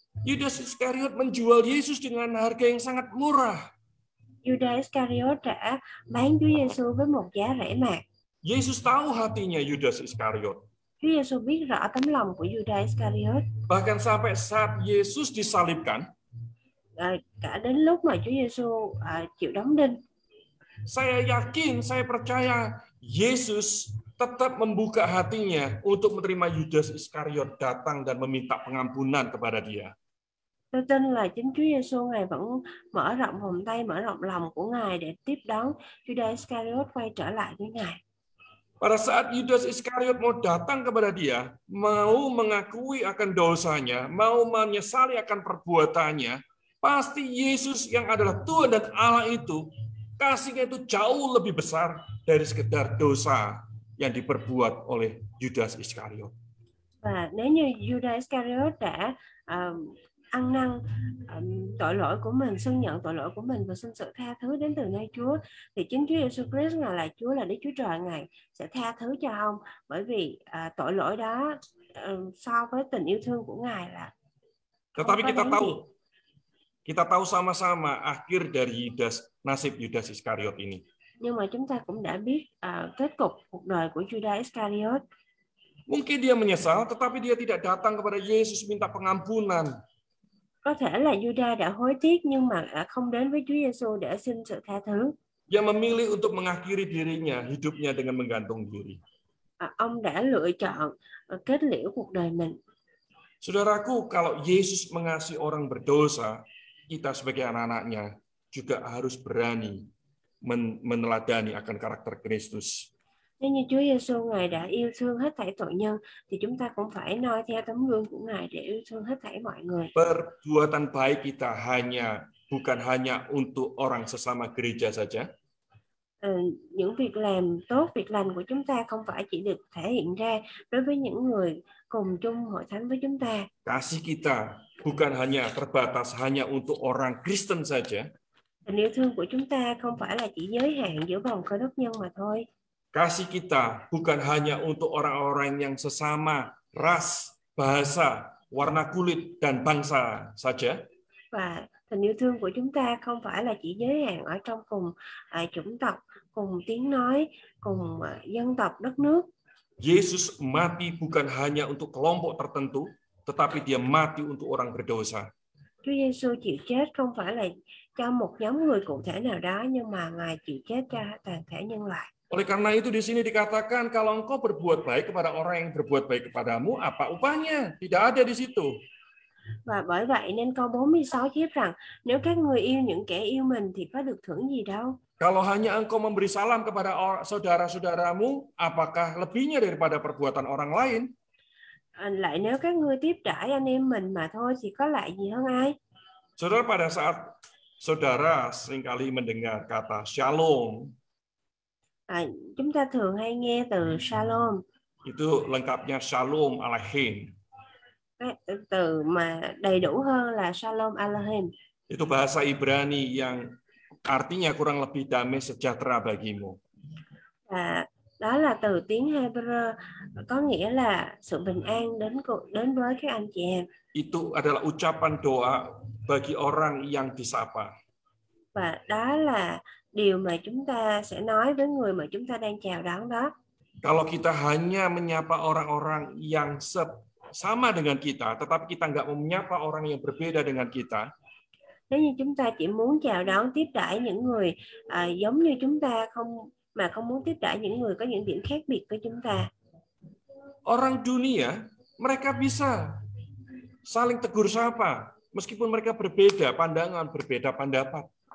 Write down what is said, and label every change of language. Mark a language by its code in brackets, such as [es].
[id] Judas Iskariot menjual Yesus dengan harga yang sangat murah. [vi] Judas Iskariot đã bán Chúa Giêsu với một giá rẻ mạt. [id] Yesus tahu hatinya Judas Iskariot. [vi] Chúa Giêsu biết rõ tấm lòng của Judas Iskariot. [id] Bahkan sampai saat Yesus disalibkan, [vi] cả đến lúc mà Chúa Giêsu chịu đóng đinh. [id] Saya yakin, saya percaya Yesus tetap membuka hatinya untuk menerima Judas Iskariot datang dan meminta pengampunan kepada dia. [vi] Tôi tin là chính Chúa Giêsu ngài vẫn mở rộng vòng tay, mở rộng lòng của ngài để tiếp đón Judas Iskariot quay trở lại với ngài. [id] Pada saat Judas Iskariot mau datang kepada dia, mau mengakui akan dosanya, mau menyesali akan perbuatannya, pasti Yesus yang adalah Tuhan dan Allah itu, kasihnya itu jauh lebih besar dari sekedar dosa yang diperbuat oleh Judas Iskariot. [vi] Và nếu như Judas Iscariot đã ăn năn tội lỗi của mình, xưng nhận tội lỗi của mình và xin sự tha thứ đến từ nơi Chúa, thì chính Chúa Jesus Christ ngài là Chúa, là Đức Chúa Trời, ngài sẽ tha thứ cho ông, bởi vì tội lỗi đó so với tình yêu thương của ngài là. [id] Tetapi kita tahu sama-sama akhir dari nasib Judas Iskariot ini. [vi] Nhưng mà chúng ta cũng đã biết kết cục cuộc đời của Judas Iscariot. [id] Mungkin dia menyesal, tetapi dia tidak datang kepada Yesus minta pengampunan. [vi] Có thể là Judas đã hối tiếc nhưng mà không đến với Chúa Giêsu để xin sự tha thứ. [id] Dia memilih untuk mengakhiri dirinya, hidupnya dengan menggantung diri. [vi] Ông đã lựa chọn kết liễu cuộc đời mình. [id] Saudaraku, kalau Yesus mengasihi orang berdosa, kita sebagai anak-anaknya juga harus berani meneladani akan karakter Kristus. [vi] Nếu như Chúa Giêsu ngài đã yêu thương hết thảy tội nhân, thì chúng ta cũng phải noi theo tấm gương của ngài để yêu thương hết thảy mọi người. [id] Perbuatan baik kita bukan hanya untuk orang sesama gereja saja. [vi] Những việc làm tốt, việc lành của chúng ta không phải chỉ được thể hiện ra đối với những người cùng chung hội thánh với chúng ta. [id] Kasih kita bukan hanya terbatas hanya untuk orang Kristen saja. [vi] Tình yêu thương của chúng ta không phải là chỉ giới hạn giữa vòng cơ đốc nhân mà thôi. [id] Kasih kita bukan hanya untuk orang-orang yang sesama ras, bahasa, warna kulit, dan bangsa saja. [vi] Và tình yêu thương của chúng ta không phải là chỉ giới hạn ở trong cùng chủng tộc, cùng tiếng nói, cùng dân tộc, đất nước. [id] Yesus mati bukan hanya untuk kelompok tertentu, tetapi dia mati untuk orang berdosa. [vi] Chúa Giêsu chịu chết không phải là cho một nhóm người cụ thể nào đó, nhưng mà ngài chịu chết cho toàn thể nhân loại. [id] Oleh karena itu di sini dikatakan kalau engkau berbuat baik kepada orang yang berbuat baik kepadamu, apa upahnya? Tidak ada di situ. [vi] Và bởi vậy nên câu 46 chép rằng nếu các người yêu những kẻ yêu mình thì có được thưởng gì đâu. [id] Kalau hanya engkau memberi salam kepada saudara-saudaramu, apakah lebihnya daripada perbuatan orang lain? [vi] Lại nếu các người tiếp đãi anh em mình mà thôi thì có lại gì hơn ai? [id] Saudara, pada saat saudara seringkali mendengar kata shalom, [vi] chúng ta thường hay nghe từ shalom. [id] Itu lengkapnya shalom aleichem. [vi] Từ mà đầy đủ hơn là shalom aleichem. [id] Itu bahasa Ibrani yang artinya kurang lebih damai sejahtera bagimu. [vi] Đó là từ tiếng Hebrew có nghĩa là sự bình an đến với các anh chị em. [id] Itu adalah ucapan doa bagi orang yang disapa. [vi] Và đó là điều mà chúng ta sẽ nói với người mà chúng ta đang chào đón đó. [id] Kalau kita hanya menyapa orang-orang yang sama dengan kita, tetapi kita enggak menyapa orang yang berbeda dengan kita. [vi] Nếu như chúng ta chỉ muốn chào đón tiếp đãi những người giống như chúng ta không mà không muốn tiếp đãi những người có những điểm khác biệt với chúng ta. [id] Orang dunia mereka bisa saling tegur sapa meskipun mereka berbeda pandangan, berbeda pendapat.